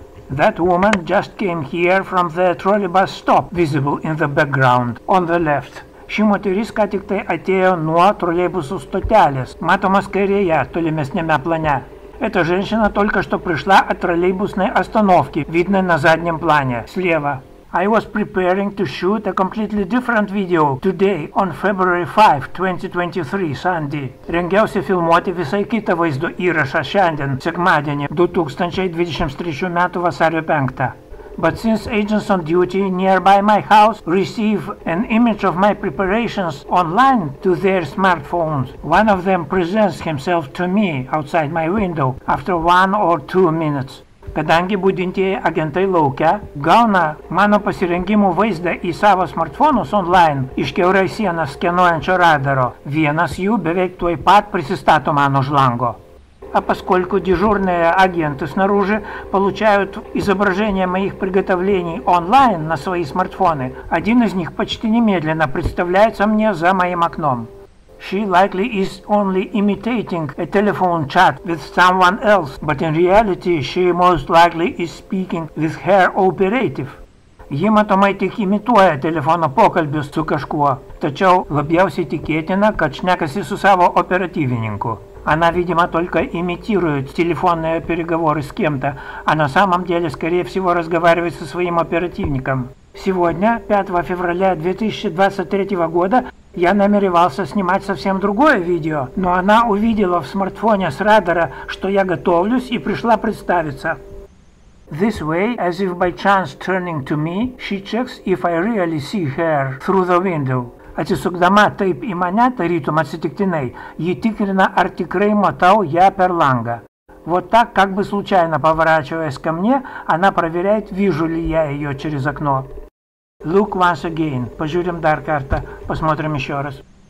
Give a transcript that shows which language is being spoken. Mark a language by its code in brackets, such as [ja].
[en] That woman just came here from the trolleybus stop, visible in the background on the left. [lt] Ši moteris ką tik tai atėjo nuo trolleybusų stotelės, matomas kairėje, tolimesniame plane. [ru] Эта женщина только что пришла от троллейбусной остановки, видной на заднем плане, слева. [en] I was preparing to shoot a completely different video today on February 5, 2023, Sunday. [lt] Rengiausi filmuoti visai kitą vaizdo įrašą šiandien, sekmadienį, 2023 metų vasario 5. [en] But since agents on duty nearby my house receive an image of my preparations online to their smartphones, one of them presents himself to me outside my window after 1 or 2 minutes. [lt] Kadangi budintieji agentai laukia, gauna mano pasirengimų vaizdą į savo smartfonus online iš kiaurai sieną skenuojančio radaro. Vienas jų beveik tuoj pat prisistato man už lango. [ru] А поскольку дежурные агенты снаружи получают изображение моих приготовлений онлайн на свои смартфоны, один из них почти немедленно представляется мне за моим окном. [en] She likely is only imitating a telephone chat with someone else, but in reality she most likely is speaking with her operative. [lt] Ji matomai tik imituoja telefono pokalbius su kažkuo, тačiau labiausiai tikėtina, kad šnekasi su savo operatyvininku. [ru] Она, видимо, только имитирует телефонные переговоры с кем-то, а на самом деле, скорее всего, разговаривает со своим оперативником. Сегодня, 5 февраля 2023 года, я намеревался снимать совсем другое видео, но она увидела в смартфоне с радара, что я готовлюсь, и пришла представиться. [en] This way, as if by chance turning to me, she checks if I really see her through the window. [lt] Atsisukdama taip į mane, tarytum atsitiktinai, ji tikrina, ar tikrai matau ją per langą. [ru] Вот так, как бы случайно поворачиваясь ко мне, она проверяет, вижу ли я ее через окно. [en] Look once again. Пожурим дар карта. [ru] Посмотрим еще раз.